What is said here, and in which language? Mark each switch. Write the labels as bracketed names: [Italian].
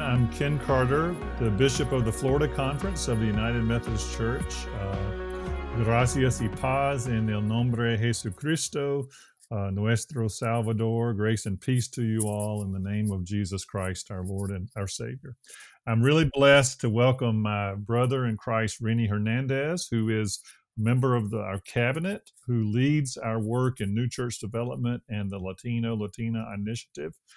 [English] I'm Ken Carter, the Bishop of the Florida Conference of the United Methodist Church. [Spanish] Gracias y paz en el nombre de Jesucristo, nuestro Salvador. [English] Grace and peace to you all in the name of Jesus Christ, our Lord and our Savior. I'm really blessed to welcome my brother in Christ, Rini Hernandez, who is member of our cabinet, who leads our work in new church development and the Latina initiative.